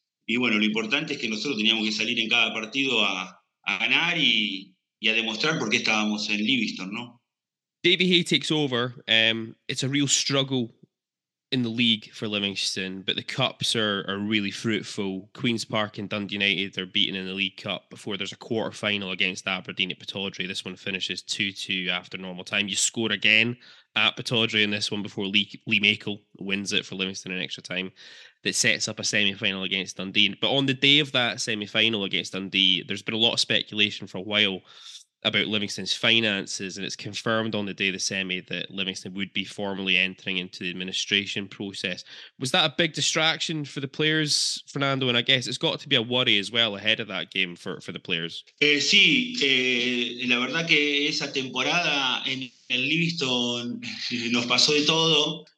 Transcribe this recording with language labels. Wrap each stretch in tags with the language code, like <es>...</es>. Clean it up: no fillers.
<es>Y bueno, lo importante es que nosotros teníamos que salir en cada partido a ganar y a demostrar por qué estábamos en Livingston, ¿no?</es> <en>Davie Hay takes over. It's a real struggle in the league for Livingston, but the Cups are really fruitful. Queen's Park and Dundee United are beaten in the League Cup before there's a quarter-final against Aberdeen at Pittodrie. This one finishes 2-2 after normal time. You score again at Pittodrie in this one before Lee Makel wins it for Livingston in extra time. That sets up a semi-final against Dundee. But on the day of that semi-final against Dundee, there's been a lot of speculation for a while about Livingston's finances, and it's confirmed on the day of the semi that Livingston would be formally entering into the administration process. Was that a big distraction for the players, Fernando? And I guess it's got to be a worry as well ahead of that game for the players.</en> <es>Sí, la verdad que esa temporada en Livingston nos pasó de todo.</es>